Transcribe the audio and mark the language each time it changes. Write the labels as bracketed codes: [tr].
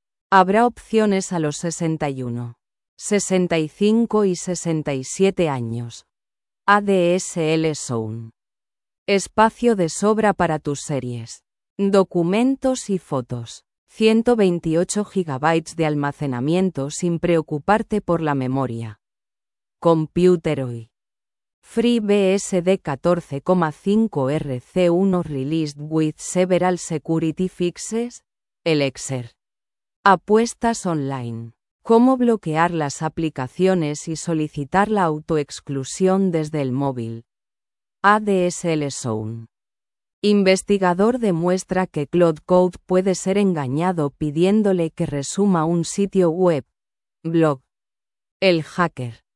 [es] Habrá opciones a los 61, 65 y 67 años. ADSL Zone. Espacio de sobra para tus series, documentos y fotos. 128 GB de almacenamiento sin preocuparte por la memoria. Computer hoy. [en] FreeBSD 14.5RC1 released with several security fixes. [es] Elixir. Apuestas online. ¿Cómo bloquear las aplicaciones y solicitar la autoexclusión desde el móvil? ADSL Zone. Investigador demuestra que Cloud Code puede ser engañado pidiéndole que resuma un sitio web. Blog. El hacker.